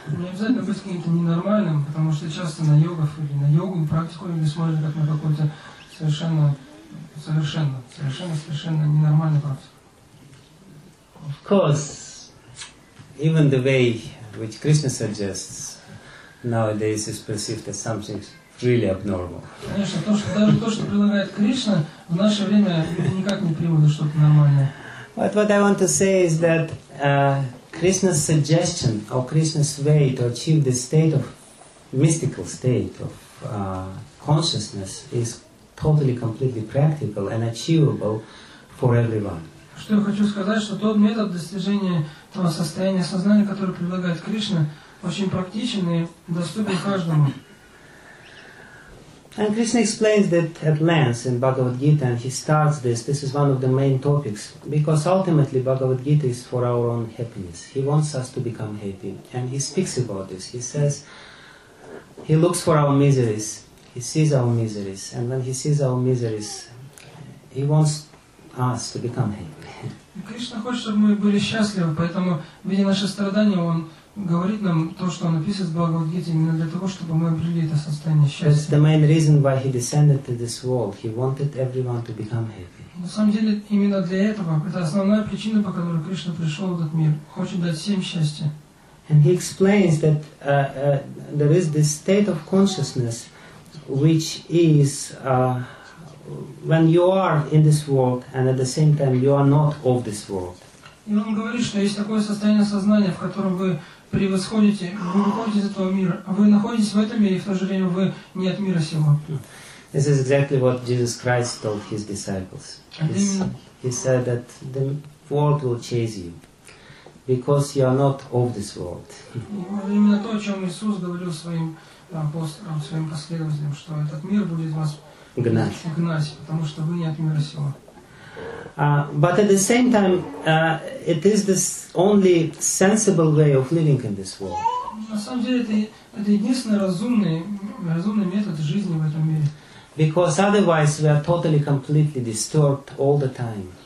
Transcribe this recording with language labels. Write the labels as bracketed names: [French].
[Russian] Не обязательно быть каким-то ненормальным, потому что часто на йогов или на йогу практику люди смотрят как на какую-то совершенно ненормальную практику. [English] Of course, even the way which Krishna suggests nowadays is perceived as something really abnormal. [Russian] Конечно, то, что предлагает Кришна, в наше время никак не примут, что-то нормальное. [English] But what I want to say is that Krishna's suggestion or Krishna's way to achieve the state of mystical state of consciousness is totally, completely practical and achievable for everyone. [Russian] Что я хочу сказать, что тот метод достижения того состояния сознания, который предлагает Кришна, очень практичен и доступен каждому. [English] And Krishna explains that at length in Bhagavad Gita, and he starts this. This is one of the main topics, because ultimately Bhagavad Gita is for our own happiness. He wants us to become happy, and he speaks about this. He says, he looks for our miseries, he sees our miseries, and when he sees our miseries, he wants us to become happy. [Russian] Krishna хочет, чтобы мы были счастливы, поэтому, видя наши страдания, он говорит нам то, что он описывает в Бхагавад-гите, именно для того, чтобы мы обрели это состояние счастья. [English] That's the main reason why he descended to this world. He wanted everyone to become happy. [Russian] На самом деле, именно для этого, это основная причина, по которой Кришна пришел в этот мир. Хочет дать всем счастье. [English] And he explains that there is this state of consciousness, which is when you are in this world, and at the same time you are not of this world. [Russian] И он говорит, что есть такое состояние сознания, в котором вы превосходите, вы выходите из этого мира, а вы находитесь в этом мире, и в то же время вы не от мира сего. [English] This is exactly what Jesus Christ told his disciples. He said that the world will chase you, because you are not of this world. [Russian] Именно то, о чем Иисус говорил своим апостолам, своим последователям, что этот мир будет вас гнать, потому что вы не от мира сего. [English] But at the same time, it is the only sensible way of living in this world. [Russian] На самом деле, это единственный разумный метод жизни в этом мире. [English] Because otherwise, we are totally, completely disturbed all the time.